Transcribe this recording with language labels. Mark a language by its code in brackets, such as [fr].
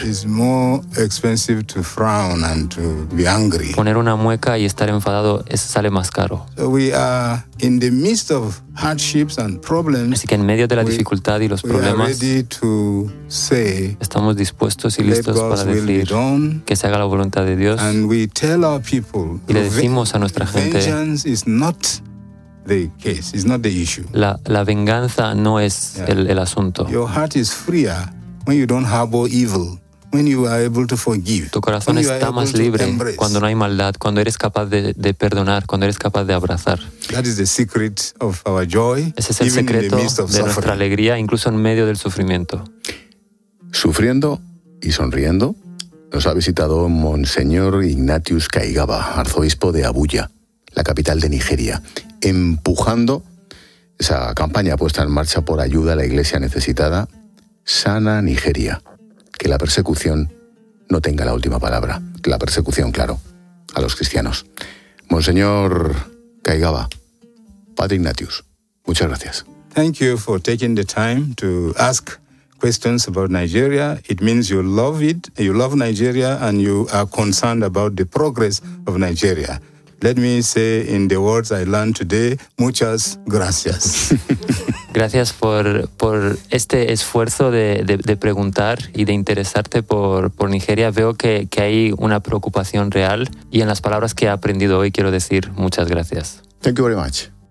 [en] It's more expensive to frown and to be angry. [es] Poner una mueca y estar enfadado sale más caro. [en] So we are in the midst of hardships and problems, [es] así que en medio de la dificultad y los problemas [en] say, [es] estamos dispuestos y listos para decir [en] done, [es] que se haga la voluntad de Dios [en] and we tell our people, [es] y le decimos a nuestra gente [en] vengeance is not the case, it's not the issue. [es] La venganza no es el asunto. [en] Your heart is freer when you don't harbor evil. When you are able to forgive, [es] tu corazón [en] when [es] está más libre cuando no hay maldad, cuando eres capaz de perdonar, cuando eres capaz de abrazar. [en] That is the secret of our joy, [es] ese es el secreto [en] even in the midst of [es] de [en] suffering. [es] Nuestra alegría, incluso en medio del sufrimiento. Sufriendo y sonriendo, nos ha visitado Monseñor Ignatius Kaigaba, arzobispo de Abuja, la capital de Nigeria, empujando esa campaña puesta en marcha por ayuda a la iglesia necesitada, Sana Nigeria. Que la persecución no tenga la última palabra. La persecución, claro, a los cristianos. Monseñor Kaigaba, Padre Ignatius, muchas gracias. [en] Thank you for taking the time to ask questions about Nigeria. It means you love it, you love Nigeria, and you are concerned about the progress of Nigeria. Let me say in the words I learned today, [es] muchas gracias. Gracias por este esfuerzo de preguntar y de interesarte por Nigeria. Veo que hay una preocupación real y en las palabras que he aprendido hoy quiero decir muchas gracias. [en] Thank you very much.